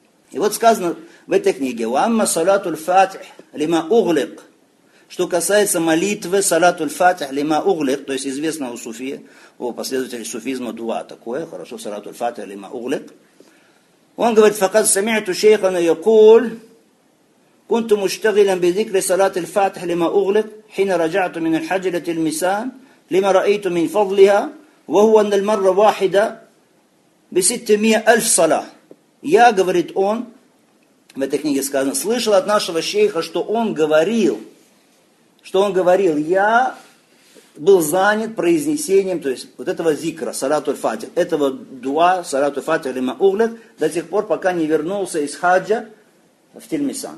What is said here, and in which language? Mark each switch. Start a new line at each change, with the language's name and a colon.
Russian: И вот сказано в этой книге,
Arabic: «Уамма салатуль фатих лима угляк»,
Russian: что касается молитвы «Салатуль Фатих лима угляк», то есть известно у суфии, у последователей суфизма дуа такое, хорошо, «Салатуль Фатих лима угляк». Он говорит,
Arabic: «Факад самиту шейхана якуль». كنت مشتغلا بذكر صلاة الفاتح لما أغلق حين رجعت من الحجة الميسان لما رأيت من فضلها وهو أن المرة واحدة بستمائة ألف صلاة.
Russian: Я, говорит он, в этой книге сказано, слышал от нашего шейха, что он говорил, я был занят произнесением, то есть вот этого зикра, салатуль фатих, этого дуа, салатуль фатих лима угляк, до тех пор, пока не вернулся из хаджа в Тельмисан.